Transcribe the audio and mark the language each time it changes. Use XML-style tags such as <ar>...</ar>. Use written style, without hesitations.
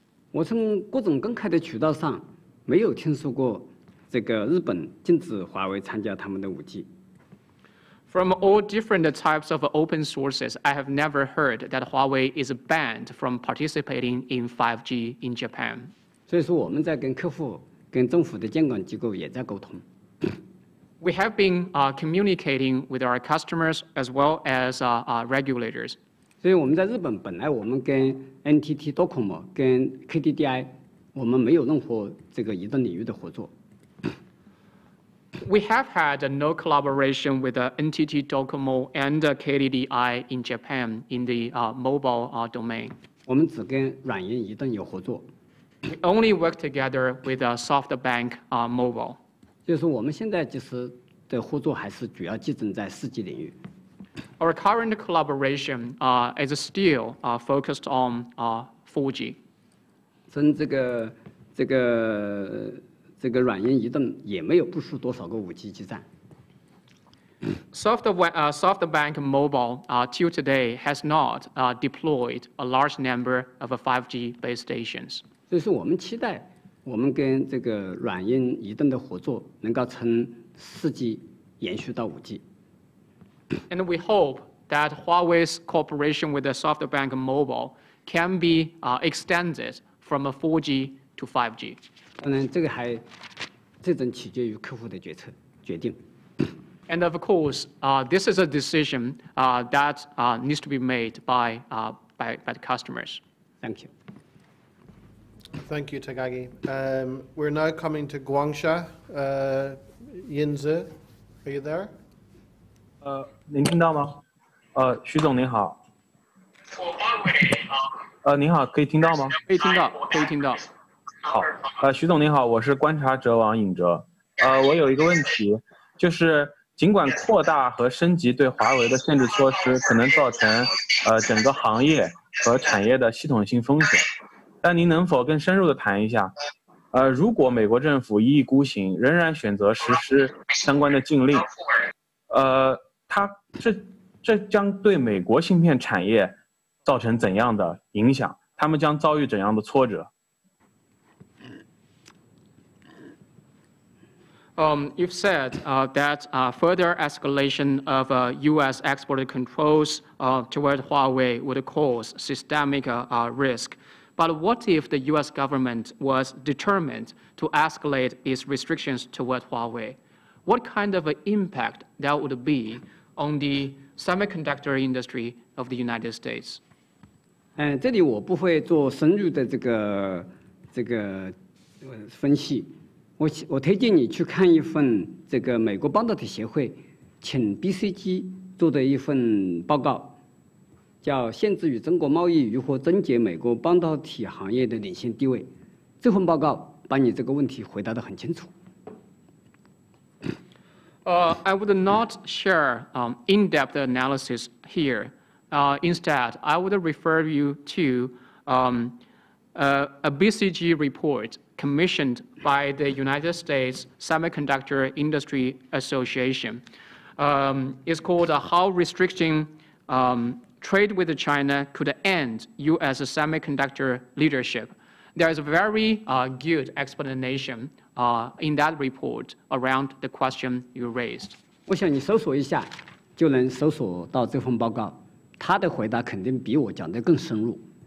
<zh>我从各种公开的渠道上没有听说过这个日本禁止华为参加他们的 5G。</zh> <en>From all different types of open sources, I have never heard that Huawei is banned from participating in 5G in Japan.</en> <zh>所以说我们在跟客户、跟政府的监管机构也在沟通。</zh> <en>We have been communicating with our customers as well as regulators.</en> <zh>所以我们在日本本来我们跟 NTT Docomo、跟 KDDI， 我们没有任何这个移动领域的合作。</zh> <en>We have had no collaboration with NTT Docomo and KDDI in Japan in the mobile domain.</en> <zh>我们只跟软银移动有合作。</zh> <en>We only work together with SoftBank Mobile.</en> <zh>就是我们现在其实的合作还是主要集中在 4G 领域。</zh> <en>Our current collaboration is still focused on 4G.</en> <zh>跟这个这个软银移动也没有部署多少个 5G 基站。</zh> <en>SoftBank Mobile till today has not deployed a large number of 5G base stations.</en> <zh>所以说我们期待我们跟这个软银移动的合作能够从 4G 延续到 5G。</zh> <en>And we hope that Huawei's cooperation with the SoftBank Mobile can be extended from 4G to 5G.</en> <zh>当然，这个还这种取决于客户的决策决定。</zh> <en>And of course, this is a decision that needs to be made by the customers. Thank you. Thank you, Takagi. We're now coming to Guangsha. Yinze, are you there?</en> <zh>您听到吗？徐总您好。您好，可以听到吗？可以听到，可以听到。好，徐总您好，我是观察者王颖哲。我有一个问题，就是尽管扩大和升级对华为的限制措施可能造成整个行业和产业的系统性风险，但您能否更深入的谈一下，如果美国政府一意孤行，仍然选择实施相关的禁令，这将对美国芯片产业造成怎样的影响？他们将遭遇怎样的挫折？</zh> <en>You've said that further escalation of U.S. export controls toward Huawei would cause systemic risk. But what if the U.S. government was determined to escalate its restrictions toward Huawei? What kind of impact that would be on the semiconductor industry of the United States?</en> <zh>这里我不会做深入的这个分析。我推荐你去看一份这个美国半导体协会请 BCG 做的一份报告，叫《限制与中国贸易如何终结美国半导体行业的领先地位》。这份报告把你这个问题回答得很清楚。</zh> <en>I would not share in-depth analysis here. Instead, I would refer you to a BCG report. Commissioned by the United States Semiconductor Industry Association. It's called How Restricting Trade with China Could End U.S. Semiconductor Leadership. There is a very good explanation in that report around the question you raised.</en> <zh>我想你搜索一下就能搜索到这份报告，他的回答肯定比我讲得更深入。</zh>